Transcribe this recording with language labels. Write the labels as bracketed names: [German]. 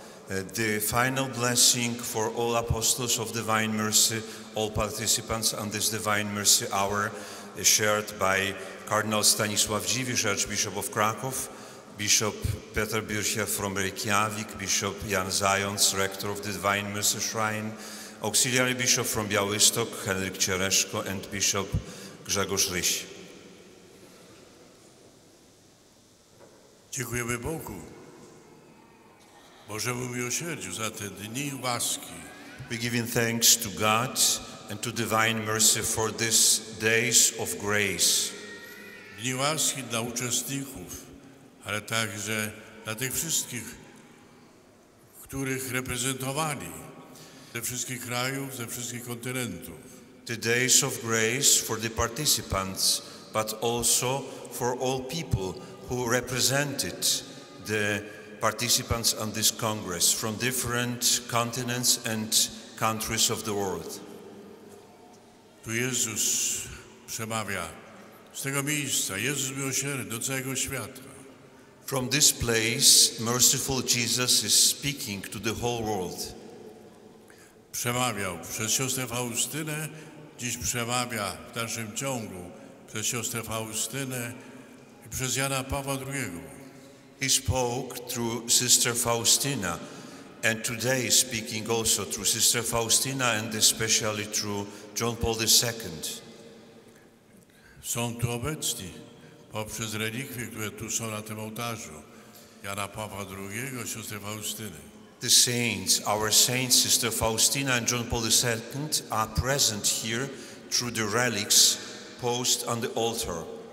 [English] the final blessing for all apostles of divine mercy, all participants on this divine mercy hour, shared by Cardinal Stanisław Dziwisz, Archbishop of Krakow, Bishop Peter Birchia from Reykjavik, Bishop Jan Zając, Rector of the Divine Mercy Shrine, Auxiliary Bishop from Białystok, Henryk Ciereszko, and Bishop Grzegorz Ryś. [Polish] Dziękujemy Bogu, Bożemu Miłosierdziu, za te dni łaski. [English] We give thanks to God and to Divine Mercy for these days of grace. [Polish] Dni łaski dla uczestników, ale także dla tych wszystkich, których reprezentowali, ze wszystkich krajów, ze wszystkich kontynentów. [English] The days of grace for the participants, but also for all people who represented the participants on this Congress from different continents and countries of the world. [Polish] Tu Jezus przemawia z tego miejsca, Jezus miłosierny do całego świata. [English] From this place, merciful Jesus is speaking to the whole world. [Polish] Przemawiał przez siostrę Faustynę, dziś przemawia w dalszym ciągu przez siostrę Faustynę i przez Jana Pawła II. [English] He spoke through Sister Faustina, and today speaking also through Sister Faustina and especially through John Paul II. [Polish] Są tu obecni poprzez relikwie, które tu są na tym ołtarzu, Jana Pawła II, siostry Faustyny. [English] The saints, our saints, Sister Faustina and John Paul II are present here through the relics posed on the altar.